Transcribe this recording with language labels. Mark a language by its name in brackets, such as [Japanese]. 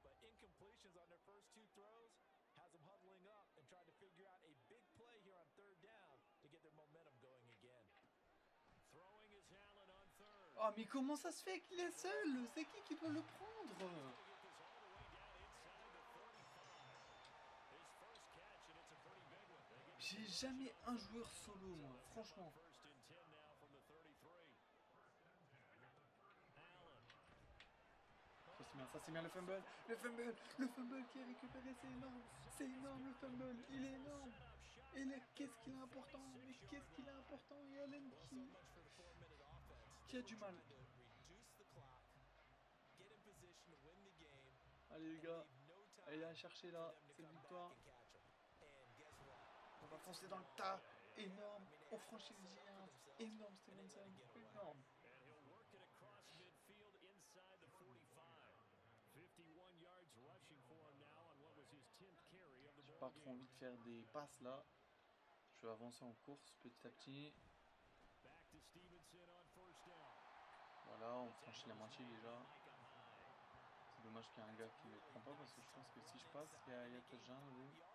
[English] Incompletions on their first two throws has them huddling up and trying to figure out a big play here on third down to get their momentum going again. Throwing is Allen on third. [French] Oh, mais comment ça se fait qu'il est seul? C'est qui peut le prendre? J'ai jamais un joueur solo, moi, franchement. Ça, c'est bien, le fumble. Le fumble qui est récupéré, c'est énorme. C'est énorme, le fumble. Il est énorme. Et là, qu'est-ce qu'il est important? Mais qu'est-ce qu'il est important? Et Allen qui a du mal. Allez, les gars. Allez, à chercher là. C'est une victoire. On va foncer dans le tas, énorme, on franchit les géants, énorme Stevenson, énorme. [English] And he'll work it across midfield inside the 45. 51 yards rushing for him now on what was his 10th carry of the ball. [French] J'ai pas trop envie de faire des passes là. Je vais avancer en course petit à petit. [English] Back to Stevenson on first down. [French] Voilà, on franchit la moitié déjà. C'est dommage qu'il y ait un gars qui ne le prend pas parce que je pense que si je passe, il y a Ayatollah Jean, oui.